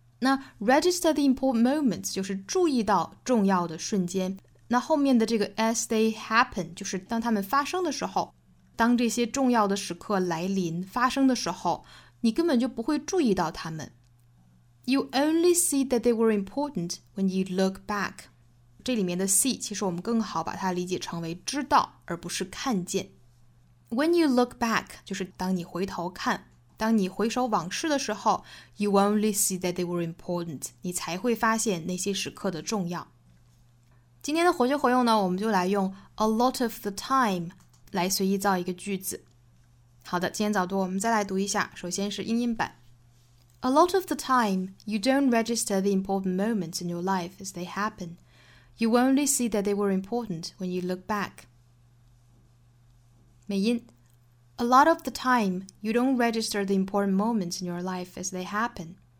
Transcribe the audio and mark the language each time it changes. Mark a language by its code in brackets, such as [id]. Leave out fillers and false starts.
[zh] 那 [en] register the important moments [zh] 就是注意到重要的瞬间，那后面的这个 [en] as they happen [zh] 就是当他们发生的时候，当这些重要的时刻来临发生的时候，你根本就不会注意到他们。 [en] You only see that they were important when you look back. [zh] 这里面的 see 其实我们更好把它理解成为知道而不是看见。 [en] When you look back [zh] 就是当你回头看，当你回首往事的时候， [en] You only see that they were important. [zh] 你才会发现那些时刻的重要。今天的活学活用呢，我们就来用 [en] a lot of the time [zh] 来随意造一个句子。好的，今天早读我们再来读一下，首先是英音版。 [en] A lot of the time, you don't register the important moments in your life as they happen. You only see that they were important when you look back. 美音 A lot of the time, you don't register the important moments in your life as they happen.